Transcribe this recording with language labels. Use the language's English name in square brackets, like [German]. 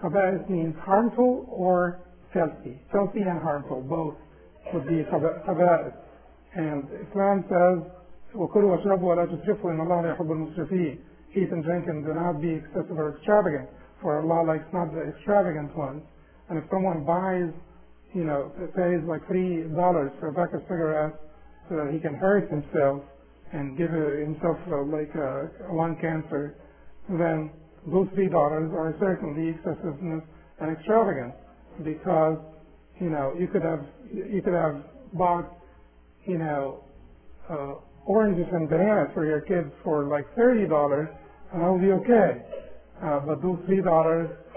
[English] Khaba'ith means harmful or filthy. Filthy and harmful, both. Would be khaba'ith. And Islam says, [Arabic] وَكُلُوا وَشْرَبُوا وَلَا تُسْرِفُوا إِنَّ اللَّهَ يَحُبُّ الْمُسْرِفِينَ. [English] Eat and drink and do not be excessive or extravagant, for Allah likes not the extravagant ones. And if someone buys, you know, pays like $3 for a pack of cigarettes so that he can hurt himself and give himself like a lung cancer, then those $3 are certainly excessiveness and extravagance, because, you know, you could have bought, you know, oranges and bananas for your kids for like $30, and that would be okay. But those $3